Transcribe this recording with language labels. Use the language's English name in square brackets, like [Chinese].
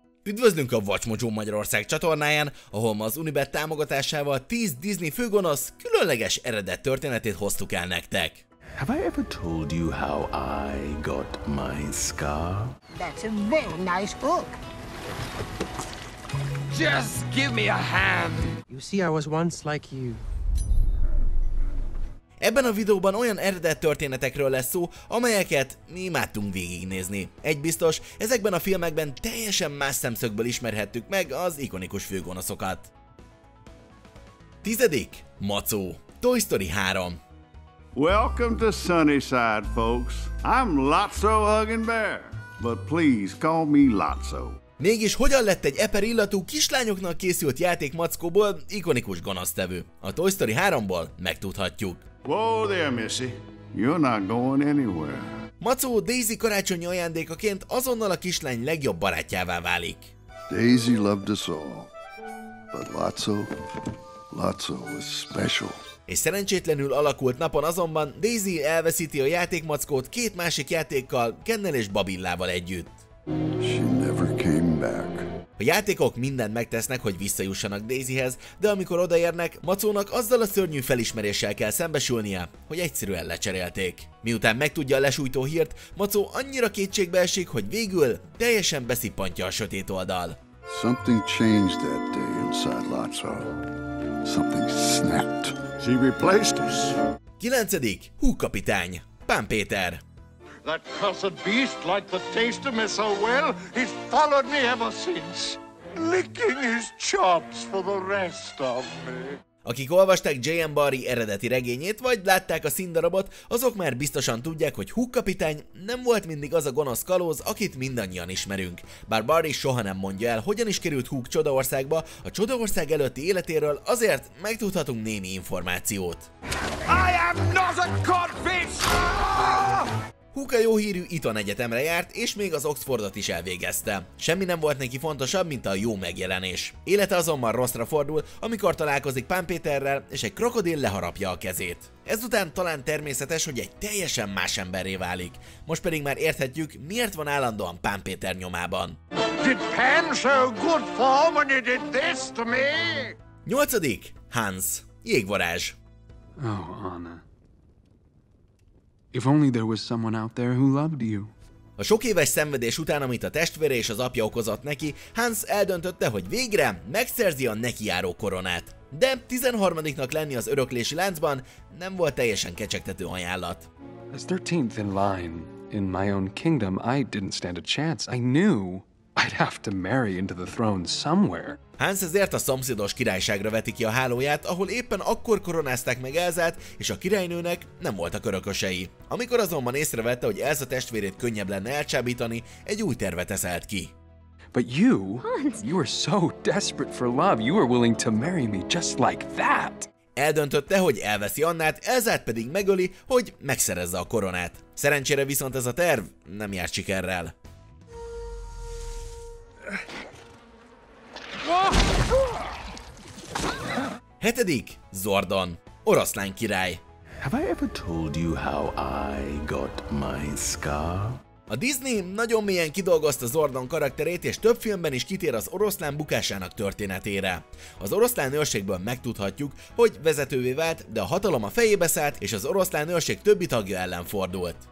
[Hungarian] Üdvözlünk a Vacsmozsó Magyarország csatornáján, ahol ma az Unibet támogatásával 10 Disney főgonosz különleges eredet történetét hoztuk el nektek. [English] Have I ever told you how I got my scar? That's a very nice book. Just give me a hand. You see, I was once like you. [Hungarian] Ebben a videóban olyan eredet történetekről lesz szó, amelyeket mi imádtunk végignézni. Egy biztos, ezekben a filmekben teljesen más szemszögből ismerhettük meg az ikonikus főgonoszokat. 10. Macó. Toy Story 3. [English] Welcome to Sunnyside, folks. I'm Lotso Huggin' Bear, but please call me Lotso. [Hungarian] Mégis hogyan lett egy eper illatú kislányoknak készült játék mackóból ikonikus gonosztevő? A Toy Story 3-ból megtudhatjuk. [English] Whoa there, Missy. You're not going anywhere. [Hungarian] Macó Daisy karácsonyi ajándékaként azonnal a kislány legjobb barátjává válik. [English] Daisy loved us all, but Lotso was special. [Hungarian] És szerencsétlenül alakult napon azonban Daisy elveszíti a játékmackót két másik játékkal, Kennel és Babillával együtt. [English] She never came back. [Hungarian] A játékok mindent megtesznek, hogy visszajussanak Daisyhez, de amikor odaérnek, Macónak azzal a szörnyű felismeréssel kell szembesülnie, hogy egyszerűen lecserélték. Miután megtudja a lesújtó hírt, Macó annyira kétségbe esik, hogy végül teljesen beszippantja a sötét oldal. [English] Something changed that day inside Lotso. Something snapped. She replaced us. [Hungarian] 9. Hú kapitány, Pán Péter. [English] That cursed beast, like the taste of me so well, he's followed me ever since, licking his chops for the rest of me. [Hungarian] Akik olvasták J.M. Barry eredeti regényét, vagy látták a színdarabot, azok már biztosan tudják, hogy Hook kapitány nem volt mindig az a gonosz kalóz, akit mindannyian ismerünk. Bár Barry soha nem mondja el, hogyan is került Hook Csodaországba, a Csodaország előtti életéről azért megtudhatunk némi információt. [English] I am not a codfish! [Hungarian] Hook a jó hírű Eton Egyetemre járt, és még az Oxfordot is elvégezte. Semmi nem volt neki fontosabb, mint a jó megjelenés. Élete azonban rosszra fordul, amikor találkozik Pán Péterrel, és egy krokodil leharapja a kezét. Ezután talán természetes, hogy egy teljesen más emberré válik. Most pedig már érthetjük, miért van állandóan Pán Péter nyomában. [English] Did Pan show good form when he did this to me? [Hungarian] 8. Hans. Jégvarázs. [English] Oh, Anna. If only there was someone out there who loved you. [Hungarian] A sok éves szenvedés után, amit a testvére és az apja okozott neki, Hans eldöntötte, hogy végre megszerzi a neki járó koronát. De 13-nak lenni az öröklési láncban nem volt teljesen kecsegtető ajánlat. [English] As 13th in line in my own kingdom, I didn't stand a chance. I knew I'd have to marry into the throne somewhere. [Hungarian] Hans ezért a szomszédos királyságra veti ki a hálóját, ahol éppen akkor koronázták meg Elzát, és a királynőnek nem voltak örökösei. Amikor azonban észrevette, hogy Elza testvérét könnyebb lenne elcsábítani, egy új tervet eszelt ki. [English] But you, Hans, you are so desperate for love, you are willing to marry me just like that. [Hungarian] Eldöntötte, hogy elveszi Annát, Elzát pedig megöli, hogy megszerezze a koronát. Szerencsére viszont ez a terv nem járt sikerrel. Hetedik, Zordon, oroszlán király. [English] Have I ever told you how I got my scar? [Hungarian] A Disney nagyon mélyen kidolgozta Zordon karakterét, és több filmben is kitér az oroszlán bukásának történetére. Az oroszlán őrségből megtudhatjuk, hogy vezetővé vált, de a hatalom a fejébe szállt, és az oroszlán őrség többi tagja ellen fordult.